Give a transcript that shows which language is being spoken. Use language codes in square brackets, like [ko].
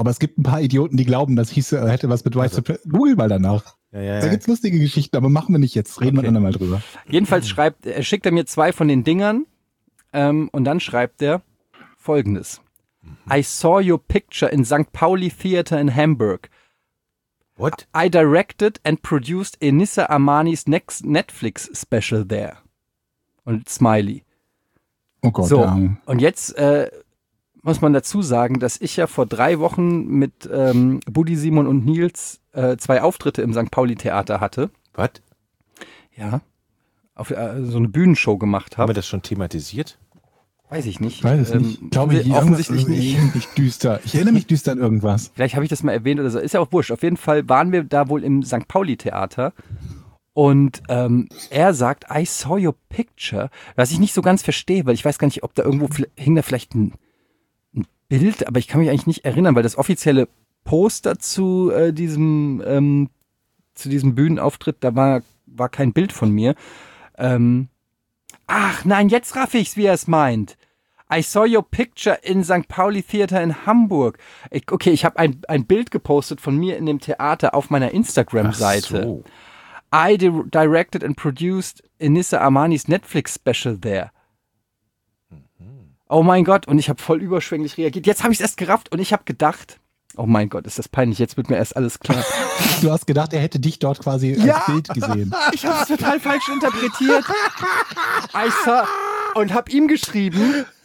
[de] Aber es gibt ein paar Idioten, die glauben, das hieß, hätte was mit White Supremacy. Google mal danach. Ja, ja, da gibt es lustige Geschichten, aber machen wir nicht jetzt. Reden wir ein andermal drüber. Jedenfalls schickt er mir zwei von den Dingern und dann schreibt er Folgendes: [en] I saw your picture in St. Pauli Theater in Hamburg. What? I directed and produced Enissa Amanis next Netflix special there. [de] Und Smiley. Oh Gott, so. Und jetzt muss man dazu sagen, dass ich ja vor 3 Wochen mit Buddy, Simon und Nils 2 Auftritte im St. Pauli Theater hatte. Was? Ja. Auf so eine Bühnenshow gemacht habe. Haben wir das schon thematisiert? Weiß ich nicht. Weiß es nicht. Glaube ich offensichtlich nicht. Ich düster. Ich erinnere mich düster an irgendwas. Vielleicht habe ich das mal erwähnt oder so. Ist ja auch wurscht. Auf jeden Fall waren wir da wohl im St. Pauli Theater. Und er sagt, [en] I saw your picture. [de] Was ich nicht so ganz verstehe, weil ich weiß gar nicht, ob da irgendwo hing da vielleicht ein Bild. Aber ich kann mich eigentlich nicht erinnern, weil das offizielle Poster zu diesem Bühnenauftritt, da war kein Bild von mir. Ach nein, jetzt raff ich's, wie er es meint. [en] I saw your picture in St. [de] Pauli Theater in Hamburg. Okay, ich habe ein Bild gepostet von mir in dem Theater auf meiner Instagram-Seite. Ach so. [en] I directed and produced Enissa Amanis Netflix-Special there. [de] Oh mein Gott, und ich habe voll überschwänglich reagiert. Jetzt habe ich es erst gerafft und ich habe gedacht, oh mein Gott, ist das peinlich, jetzt wird mir erst alles klar. Du hast gedacht, er hätte dich dort quasi als Bild gesehen. Ich habe es total falsch interpretiert. I saw und habe ihm geschrieben.